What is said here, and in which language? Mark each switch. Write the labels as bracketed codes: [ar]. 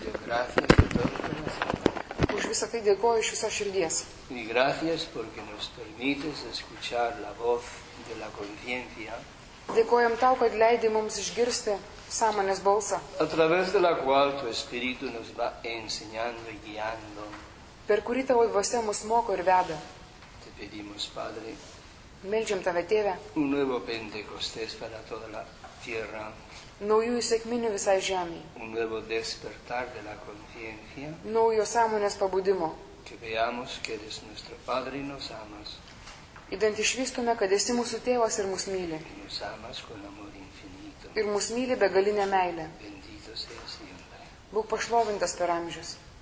[lt] Už visą tai dėkoju iš visos širdies. [es] Y gracias porque nos permites escuchar la voz de la conciencia. [lt] Dėkojam tau, kad leidi mums išgirsti sąmonės balsą. [es] A través de la cual tu espíritu nos va enseñando y guiando. [lt] Per kurį tavo dvasia mus moko ir veda. [es] Te pedimos, Padre. [lt] Meldžiam tave, Tėve. [es] Un nuevo Pentecostés para toda la tierra. [lt] Naujų įsekminių visai žemėj. [es] Un nuevo despertar de la conciencia. [lt] Naujo sąmonės pabudimo. [es] Que veamos que eres nuestro Padre y nos amas. [lt] Idant išvystume, kad esi mūsų tėvas ir mūsų myli. [es] Y nos amas con amor infinito. [lt] Ir mūsų myli begalinę meilę. [es] Bendito sea siempre. [lt] Būk pašlovintas per amžius.